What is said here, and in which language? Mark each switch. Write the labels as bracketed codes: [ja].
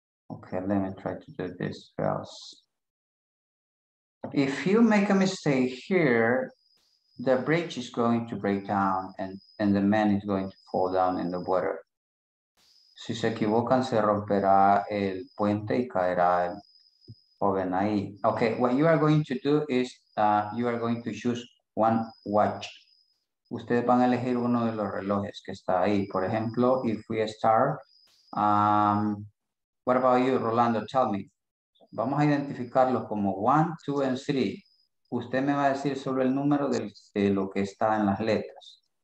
[en] Okay, let me try to do this first. If you make a mistake here, the bridge is going to break down and the man is going to fall down in the water. [es] Si se equivocan, se romperá el puente y caerá el joven ahí. [en] Okay, what you are going to do is you are going to choose one watch. [es] Ustedes van a elegir uno de los relojes que está ahí. Por ejemplo, [en] if we start, what about you, Rolando? Tell me. [es] Vamos a identificarlos como 1, 2, and 3. Usted me va a decir solo el número de lo que está en las letras.